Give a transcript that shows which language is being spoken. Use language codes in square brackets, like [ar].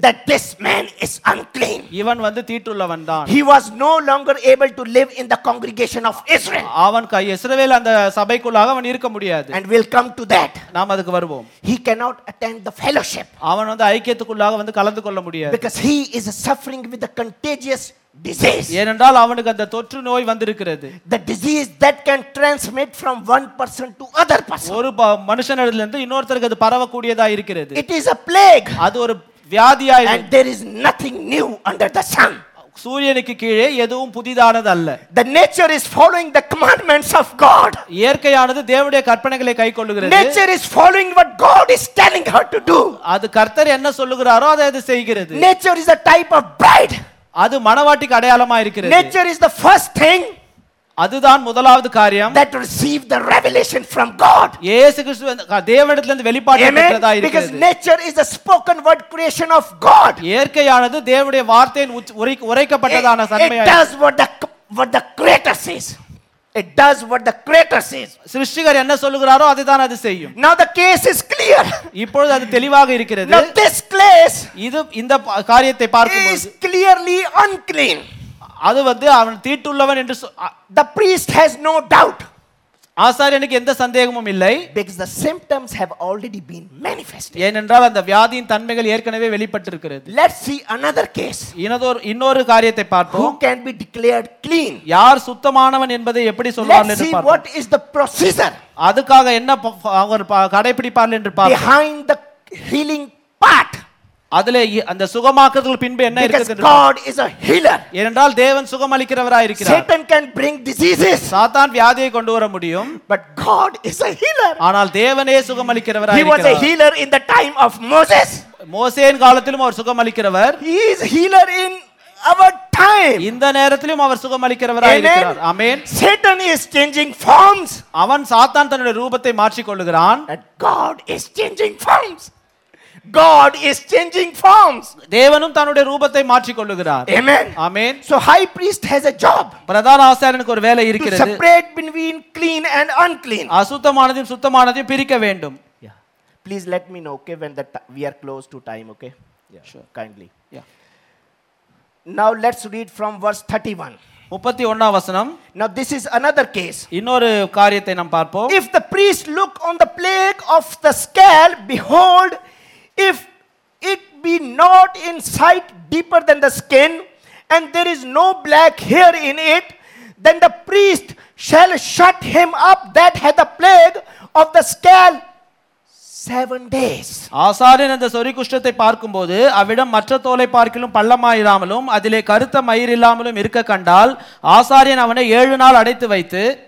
[en] That this man is unclean. [ta] இவன் வந்து தீட்டுள்ளவன் தான். [en] He was no longer able to live in the congregation of Israel. [ta] அவன் கை இஸ்ரவேல் அந்த சபைக்குள்ளாக அவன் இருக்க முடியாது. [en] And we'll come to that. [ta] நாம் அதுக்கு வருவோம். [en] He cannot attend the fellowship. [ta] அவன் வந்து ஐக்கியத்துக்குள்ளாக வந்து கலந்து கொள்ள முடியாது. [en] Because he is suffering with a contagious disease. [ta] ஏனென்றால் அவனுக்கு அந்த தொற்று நோய் வந்திருக்கிறது. [en] The disease that can transmit from one person to other person. [ta] ஒரு மனுஷனிடத்திலிருந்து இன்னொருத்தருக்கு அது பரவக்கூடியதா இருக்கிறது. [en] It is a plague. [ta] அது ஒரு வியாதியா இருக்கு. [en] And there is nothing new under the sun. [ta] சூரியனுக்கு கீழே எதுவும் புதிதானது அல்ல. [en] The nature is following the commandments of God. [ta] இயற்கையானது தேவனுடைய கற்பனைகளை கைக்கொள்ளுகிறது. [en] Nature is following what God is telling her to do. [ta] அது கர்த்தர் என்ன சொல்லுகிறாரோ அதை அது செய்கிறது. [en] Nature is a type of bride. [ta] அது மனவாட்டிக்கு அடையாளமா இருக்கிறது. [en] Nature is the first thing. [ta] அதுதான் முதலாவது காரியம். [en] That receive the revelation from God. [ta] இயேசு கிறிஸ்து தேவனிடத்திலிருந்து வெளிப்பாடு பெற்றதா இருக்கிறது. [en] Because nature is the spoken word creation of God. [ta] இயற்கையானது தேவனுடைய வார்த்தையின் உரைக்கப்பட்டதான சன்மையாய். [en] It does what the creator says. It does what the creator says. [ta] சிருஷ்டிகர் என்ன சொல்கிறாரோ அதுதான் அது செய்யும். [en] Now the case is clear. [ta] இப்பொழுது அது தெளிவாக இருக்கிறது. [en] Now this case. [ta] இது இந்த காரியத்தை பார்க்கும்போது [en] is clearly unclean. [ta] அது வந்து அவன் தீட்டுள்ளவன் என்று [en] the priest has no doubt. [ta] ஆசாரியனுக்கு எந்த சந்தேகமும் இல்லை. [en] Because the symptoms have already been manifested. [ta] ஏனென்றால் அந்த வியாதியின் தன்மைகள் ஏற்கனவே வெளிப்பட்டிருக்கிறது. [en] Let's see another case. [ta] இன்னொரு காரியத்தை பார்ப்போம். [en] Who can be declared clean? [ta] யார் சுத்தமானவன் என்பதை எப்படி சொல்வார்கள் என்று பார்ப்போம். [en] Let's see what is the procedure. [ta] அதுக்காக என்ன கடைபிடிப்பார்கள் என்று பார்ப்போம். [en] Behind the healing part. [ta] அதிலே அந்த சுகமாக்குதல் பின்பு என்ன இருக்கிறது என்றால் [en] God is a healer. [ta] ஏனென்றால் தேவன் சுகம் அளிக்கிறவராய் இருக்கிறார். [en] Satan can bring diseases. [ta] சாத்தான் வியாதியை கொண்டு வர முடியும். [en] But God is a healer. [ta] ஆனால் தேவனே சுகம் அளிக்கிறவராய் இருக்கிறார். [en] He was a healer in the time of Moses. [ta] மோசேயின் காலத்திலும் அவர் சுகம் அளிக்கிறவர். [en] He is a healer in our time. [ta] இந்த நேரத்திலும் அவர் சுகம் அளிக்கிறவராய் இருக்கிறார். [en] Amen. Satan is changing forms. [ta] அவன் சாத்தான் தன்னுடைய ரூபத்தை மாற்றிக் கொள்கிறான். [en] But God is changing forms. God is changing forms. [ta] தேவனும் தன்னுடைய ரூபத்தை மாற்றிக் கொள்கிறார். [en] Amen. Amen. So high priest has a job. [ta] பிரதான ஆசாரியனுக்கு ஒரு வேலை இருக்கிறது. [en] To separate between clean and unclean. [ta] அசுத்தமானதையும் சுத்தமானதையும் பிரிக்க வேண்டும். [en] Yeah. Please let me know, okay, when that we are close to time, okay? Yeah. Sure. Kindly. Yeah. Now let's read from verse 31. [ta] 31 ஆம் வசனம். [en] Now this is another case. [ta] இன்னொரு காரியத்தை நாம் பார்ப்போம். [en] If the priest look on the plague of the scale, behold, if it be not in sight deeper than the skin and there is no black hair in it, then the priest shall shut him up that had the plague of the scale 7 days. [ta] ஆசாரியன் அந்த சொறி குஷ்டத்தை பார்க்கும்போது அவிடம் மற்ற தோலை பார்க்கிலும் பள்ளமாயிராமலும் அதிலே கருத்த மயிர் இல்லாமலும் இருக்க கண்டால் ஆசாரியன் அவனை 7 நாள் அடைத்து வைத்து